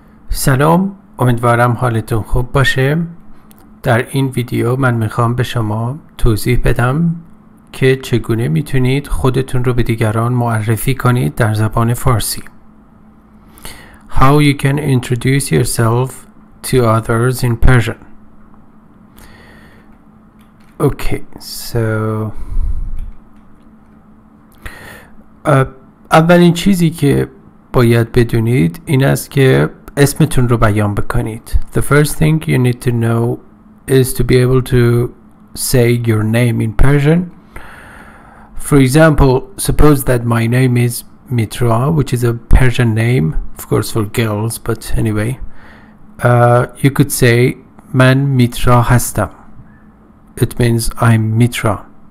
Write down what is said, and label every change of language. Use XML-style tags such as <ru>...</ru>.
<fa>سلام، امیدوارم حالتون خوب باشه. در این ویدیو من میخوام به شما توضیح بدم که چگونه میتونید خودتون رو به دیگران معرفی کنید در زبان فارسی.</fa> <en>How you can introduce yourself to others in Persian. Okay, so</en> <fa>اولین چیزی که باید بدونید این است که اسمتون رو بیان بکنید.</fa> <en>The first thing you need to know is to be able to say your name in Persian. For example, suppose that my name is Mitra, which is a Persian name, of course for girls, but anyway. You could say</en> <fa>من Mitra هستم.</fa> <en>It means I'm Mitra.</en>